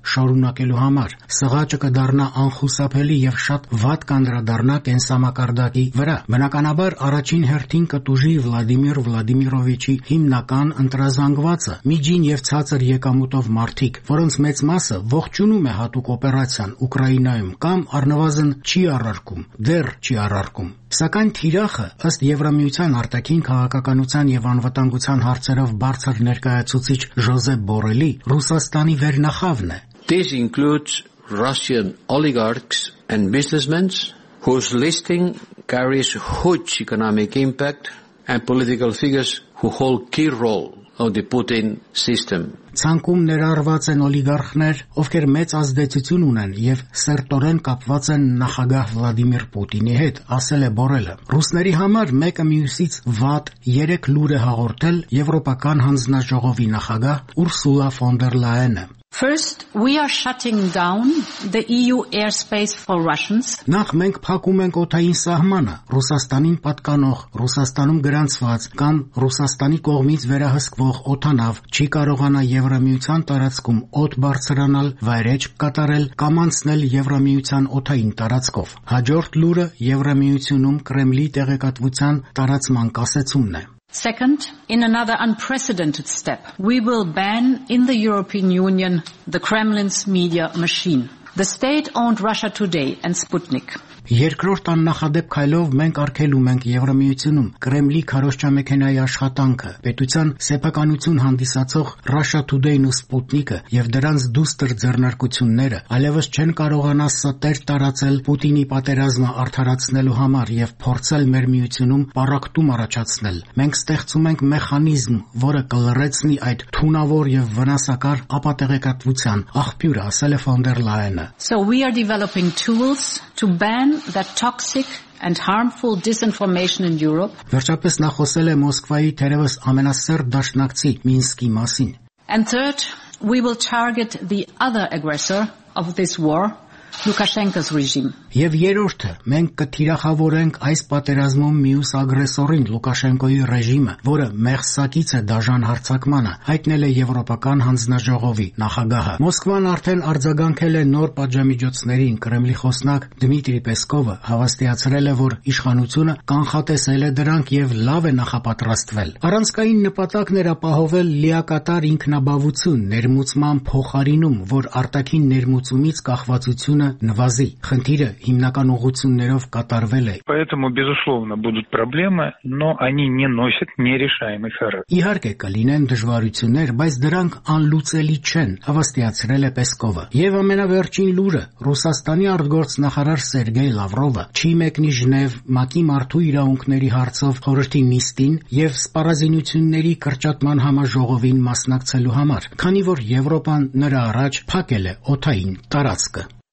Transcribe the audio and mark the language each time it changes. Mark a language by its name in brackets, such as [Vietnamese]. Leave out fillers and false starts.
[Armenian] շարունակելու համար, սղաճը կդառնա անխուսափելի եւ շատ վատ կանդրադառնա կենսամակարդակի վրա։ Բնականաբար առաջին հերթին կտուժի Վլադիմիր Վլադիմիրովիչի հիմնական ընտրազանգվածը, միջին եւ ցածր եկամուտով մարդիկ, որոնց մեծ մասը ողջունում է հատուկ օպերացիան Ուկրաինայում կամ առնվազն չի առարկում, դեռ չի առարկում։ Սակայն Թիրախը, ըստ Եվրամիության արտաքին քաղաքականության եւ անվտանգության հարցերով բարձր ներկայացուցիչ Ժոզեփ Բորելի, Ռուսաստանի վերնախավն է. [English] This includes Russian oligarchs and businessmen whose listing carries huge economic impact and political figures who hold key role of the Putin system. [Armenian] Ցանկում ներառված են օլիգարխներ, ովքեր մեծ ազդեցություն ունեն եւ սերտորեն կապված են նախագահ Վլադիմիր Պուտինի հետ, ասել է Բորելը։ Ռուսների համար մեկը մյուսից վատ 3 լուր է հաղորդել Եվրոպական հանձնաժողովի նախագահ Ուրսուլա ֆոն դեր Լայենը։ [English] First, we are shutting down the EU airspace for Russians. [Armenian] Նախ մենք փակում ենք օթային սահմանը Ռուսաստանին պատկանող, Ռուսաստանում գրանցված կամ Ռուսաստանի կողմից վերահսկվող օթանավ չի կարողանա Եվրամիության տարածքում օդ բարձրանալ, վայրեջք կատարել կամ անցնել Եվրամիության օթային տարածքով։ Հաջորդ լուրը Եվրամիությունում Կրեմլի տեղեկատվության տարածման կասեցումն է։ [English] Second, in another unprecedented step, we will ban in the European Union the Kremlin's media machine, the state-owned Russia Today and Sputnik. [Armenian] Երկրորդ աննախադեպ քայլով մենք արգելում ենք Եվրամիությունում Կրեմլի քարոշչամեքենայի աշխատանքը, պետության սեփականություն հանդիսացող Russia Today-ն ու Sputnik-ը եւ դրանց դուստր ձեռնարկությունները, այլևս չեն կարողանա ստեր տարածել Պուտինի պատերազմը արդարացնելու համար եւ փորձել մեր միությունում պարակտում առաջացնել։ Մենք ստեղծում ենք մեխանիզմ, որը կլրացնի այդ թունավոր եւ վնասակար ապատեղեկատվության աղբյուրը, ասել է ֆոն դեր Լայենը։ [English] So we are developing tools to ban that toxic and harmful disinformation in Europe. [Armenian] Վերջապես նա խոսել է Մոսկվայի թերևս ամենասերտ դաշնակցի Մինսկի մասին։ [English] And third, we will target the other aggressor of this war, Lukashenko's regime. [Armenian] Եվ երրորդը, մենք կթիրախավորենք այս պատերազմում մյուս ագրեսորին, Լուկաշենկոյի ռեժիմը, որը մեղսակից է դաժան հարցակմանը, հայտնել է Եվրոպական հանձնաժողովի նախագահը։ Մոսկվան արդեն արձագանքել է նոր պատժամիջոցներին, Կրեմլի խոսնակ Դմիտրի Պեսկովը հավաստիացրել է, որ իշխանությունը կանխատեսել է դրանք եւ լավ է նախապատրաստվել։ Առանցքային նպատակն էր ապահովել լիակատար ինքնաբավություն, ներմուծման փոխարինում, որ արտաքին ներմուծումից կախվածությունը նվազի։ Իրը հիմնական ուղություններով կատարվել է։ [Russian] Поэтому безусловно будут проблемы, но они не носят нерешаемый характер. [Armenian] Իհարկե կլինեն դժվարություններ, բայց դրանք անլուծելի չեն, հավաստիացրել է Պեսկովը։ Եվ ամենավերջին լուրը, Ռուսաստանի արտգործնախարար Սերգեյ Լավրովը չի մեկնի Ժնև Մակի Մարթու իրավունքների հարցով խորհրդի նիստին եւ սպառազինությունների կրճատման համաժողովին մասնակցելու համար, քանի որ Եվրոպան նրա առաջ փակել է օթային տարածքը։